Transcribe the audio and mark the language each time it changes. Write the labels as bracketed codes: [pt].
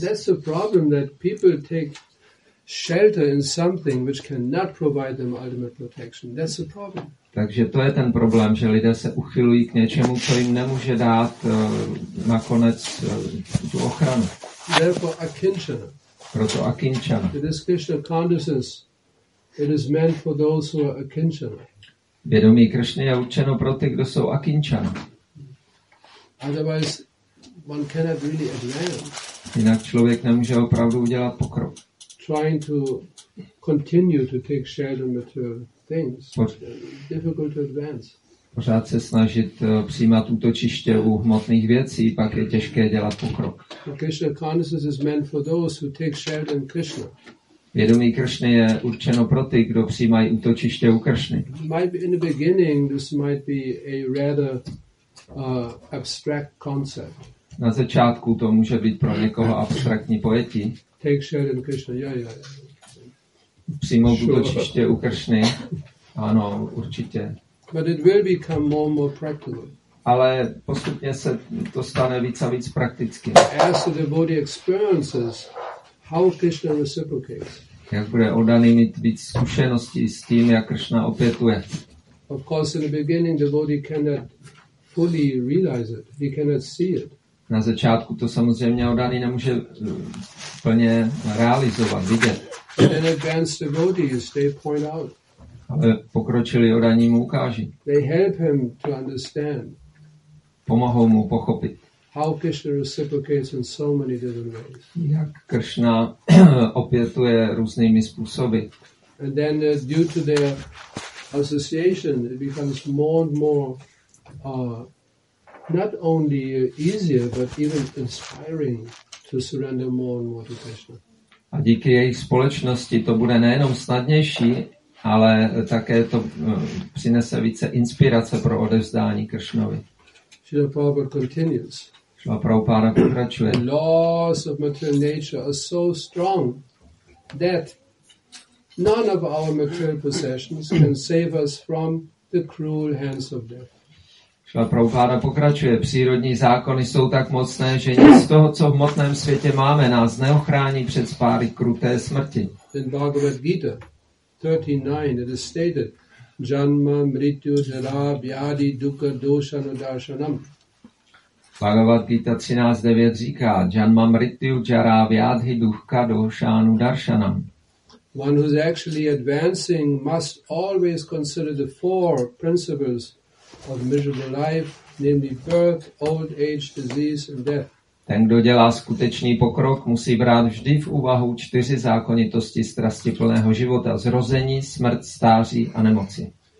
[en] That's the problem that people take shelter in something which cannot provide them ultimate protection. That's the problem. [cs] Takže to je ten problém, že lidé se uchylují k něčemu, co jim nemůže dát nakonec tu ochranu. [en] Therefore, akinchana. [cs] Proto akinchana. [en] It is Krishna consciousness. It is meant for those who are akinchana. [cs] Vědomí Krishna je určeno pro ty, kdo jsou akinchana. [en] Otherwise, one cannot really advance. [cs] Jinak člověk nemůže opravdu udělat pokrok. [en] Trying to continue to take shelter material things. Difficult to advance. [cs] Pořád se snažit přijímat útočiště u hmotných věcí, pak je těžké dělat pokrok. [en] Krishna consciousness is meant for those who take shelter in Krishna. [cs] Vědomí Krishna je určeno pro ty, kdo přijímají útočiště u Krishny. [en] Might be in the beginning this might be a rather abstract concept. [cs] Na začátku to může být pro někoho abstraktní pojetí. [en] Take shelter in Krishna. Yeah. [cs] Přijmout útočiště u Krishny. Ano, určitě. [en] But it will become more and more practical. [cs] Ale postupně se to stane víc a víc prakticky. [en] As the devotee experiences how Krishna reciprocates. [cs] Jak bude oddaný mít víc zkušeností s tím, jak Krishna opětuje. [en] Of course, in the beginning, the devotee cannot fully realize it. He cannot see it. [cs] Na začátku to samozřejmě oddaný nemůže plně realizovat, vidět. [en] And advanced devotees, they point out. [cs] Ale pokročili oddaní mu ukáží. [en] They help him to understand. [cs] Pomohou mu pochopit. [en] How Krishna reciprocates in so many different ways. [cs] Jak Krishna opětuje různými způsoby. [en] And then due to their association, it becomes more and more not only easier, but even inspiring to surrender more and more to Krishna. [cs] A díky jejich společnosti to bude nejenom snadnější, ale také to přinese více inspirace pro odevzdání Kršnovi. [en] Srila Prabhupada continues. [cs] Srila Prabhupada pokračuje. [en] The laws of material nature are so strong that none of our material possessions can save us from the cruel hands of death. [cs] Srila Prabhupada pokračuje. Přírodní zákony jsou tak mocné, že nic z toho, co v hmotném světě máme, nás neochrání před spáry kruté smrti. [en] In Bhagavad Gita 39 it is stated [sa] janma mrityu jara vyadi dukha dosha nadarshanam. [cs] Bhagavad Gita 13.9 říká [sa] janma mrityu jara vyadi dukha dosha nadarshanam. [en] One who is actually advancing must always consider the four principles of miserable life, namely birth, old age, disease and death. [cs] Ten, kdo dělá skutečný pokrok, musí brát vždy v úvahu čtyři zákonitosti strasti plného života, zrození, smrt, stáří a nemoci.